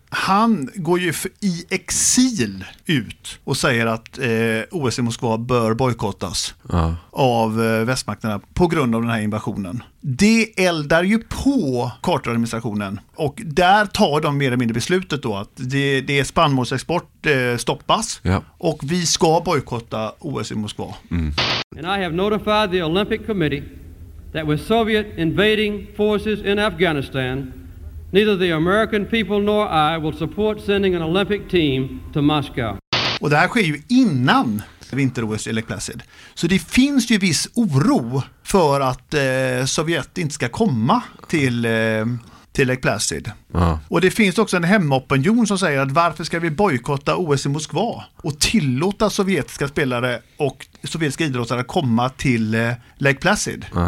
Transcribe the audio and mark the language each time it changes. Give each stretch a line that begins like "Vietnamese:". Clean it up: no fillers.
Swedish: Han går ju i exil ut och säger att OS i Moskva bör bojkottas av västmakterna på grund av den här invasionen. Det eldar ju på Carter-administrationen, och där tar de mer eller mindre beslutet då att det är spannmålsexport stoppas, ja, och vi ska bojkotta OS i Moskva.
English: And I have notified the Olympic Committee that with Soviet invading forces in Afghanistan, neither the American people nor I will support sending an Olympic team to Moscow.
Swedish: Och det här sker ju innan vinter-OS i Lake Placid. Så det finns ju viss oro för att Sovjet inte ska komma till Lake Placid. Och det finns också en hemmaopinion som säger att varför ska vi bojkotta OS i Moskva och tillåta sovjetiska spelare och sovjetiska idrottare att komma till Lake Placid.